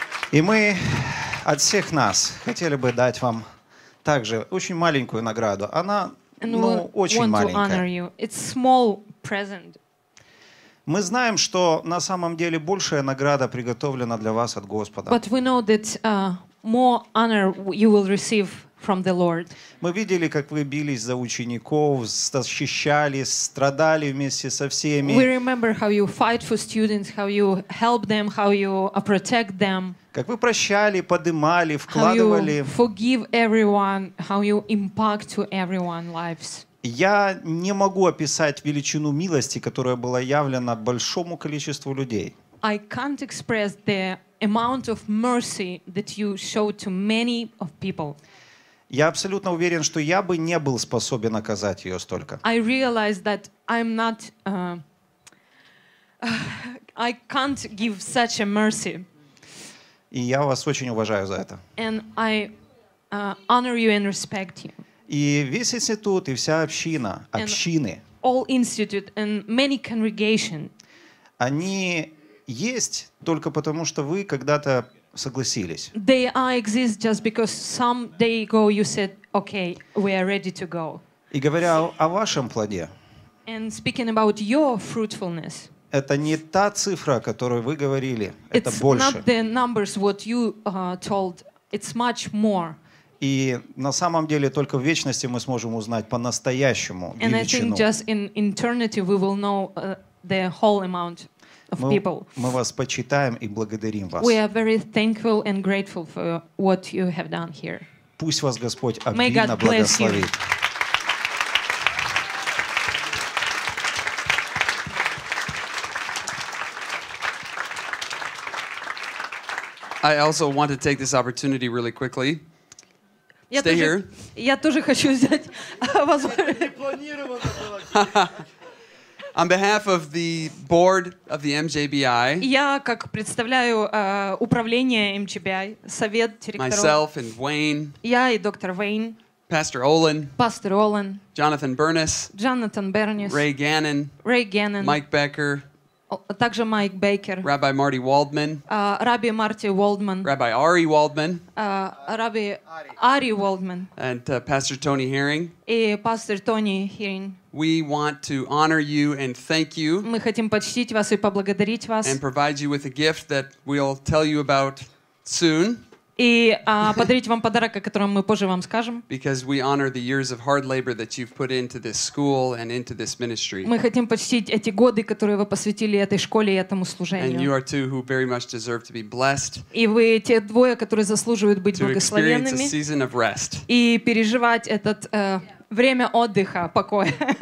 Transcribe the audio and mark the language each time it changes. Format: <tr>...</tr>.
<ru>И мы от всех нас хотели бы дать вам также очень маленькую награду. Она, очень маленькая.</ru> <en>It's small present.</en> <ru>Мы знаем, что на самом деле большая награда приготовлена для вас от Господа.</ru> <en>But we know that more honor you will receive from the Lord.</en> <ru>Мы видели, как вы бились за учеников, защищались, страдали вместе со всеми.</ru> <en>We remember how you fight for students, how you help them, how you protect them.</en> <ru>Как вы прощали, подымали, вкладывали.</ru> <en>How you forgive everyone, how you impact to everyone's lives.</en> <ru>Я не могу описать величину милости, которая была явлена большому количеству людей.</ru> <en>I can't express the amount of mercy that you showed to many of people.</en> <ru>Я абсолютно уверен, что я бы не был способен оказать ее столько.</ru> <en>I realize that I'm not, I can't give such a mercy.</en> <ru>И я вас очень уважаю за это.</ru> <en>And I honor you and respect you.</en> <ru>И весь институт, и вся община, общины.</ru> <en>And all institute and many congregation.</en> <ru>Они есть только потому, что вы когда-то согласились.</ru> <en>They exist just because some day ago you said, okay, we are ready to go.</en> <ru>И говоря о вашем плоде.</ru> <en>And speaking about your fruitfulness.</en> <ru>Это не та цифра, о которой вы говорили.</ru> <en>It's</en> <ru>это больше.</ru> <en>Not the numbers what you told It's much more.</en> <ru>И на самом деле только в вечности мы сможем узнать по-настоящему</ru> <en>and</en> <ru>величину.</ru> <en>I think just in eternity we will know the whole amount of people.</en> <ru>Мы вас почитаем и благодарим вас.</ru> <en>We are very thankful and grateful for what you have done here.</en> <ru>Пусть вас Господь обильно благословит.</ru> <en>I also want to take this opportunity really quickly. Stay here.</en> <ru>Я тоже хочу взять возможность. Это не планировано было.</ru> <en>On behalf of the board of the MJBI.</en> <ru>Я как представляю управление MJBI, совет директоров.</ru> <en>Myself and Wayne.</en> <ru>Я и доктор Wayne.</ru> <en>Pastor Olin. Pastor Olin. Jonathan Bernis. Jonathan Bernis. Ray Gannon. Ray Gannon. Mike Becker.</en> <ru>Также Майк Бейкер.</ru> <en>Rabbi Marty Waldman. Rabbi Marty Waldman. Rabbi Ari Waldman. Rabbi Ari Waldman. And Pastor Tony Herring.</en> <ru>И пастор Тони Херинг.</ru> <en>We want to honor you and thank you.</en> <ru>Мы хотим почтить вас и поблагодарить вас.</ru> <en>And provide you with a gift that we'll tell you about soon.</en> <ru>И подарить вам подарок, о котором мы позже вам скажем.</ru> <en>Because we honor the years of hard labor that you've put into this school and into this ministry.</en> <ru>Мы хотим почтить эти годы, которые вы посвятили этой школе и этому служению.</ru> <en>And you are two who very much deserve to be blessed.</en> <ru>И вы те двое, которые заслуживают быть благословенными.</ru> <en>To experience a season of rest.</en> <ru>И переживать этот время отдыха, покоя.</ru>